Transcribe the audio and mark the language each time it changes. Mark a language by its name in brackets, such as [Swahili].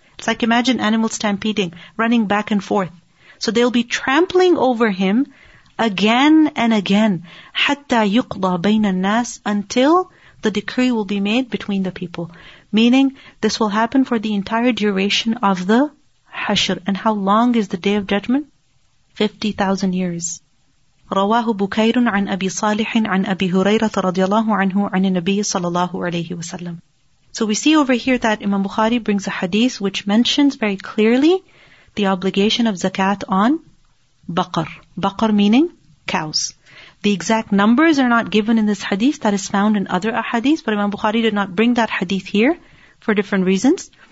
[English] It's like imagine animals stampeding, running back and forth. So they'll be trampling over him, again and again, [Arabic] حَتَّى يُقْضَى بَيْنَ النَّاسِ [English] until the decree will be made between the people. Meaning, this will happen for the entire duration of the Hashr. And how long is the Day of Judgment? 50,000 years. [Arabic] رواه بكير عن أبي صالح عن أبي هريرة رضي الله عنه عن النبي صلى الله عليه وسلم. [English] So we see over here that Imam Bukhari brings a hadith which mentions very clearly the obligation of zakat on Baqar. Baqar meaning cows. The exact numbers are not given in this hadith. That is found in other ahadith. But Imam Bukhari did not bring that hadith here for different reasons.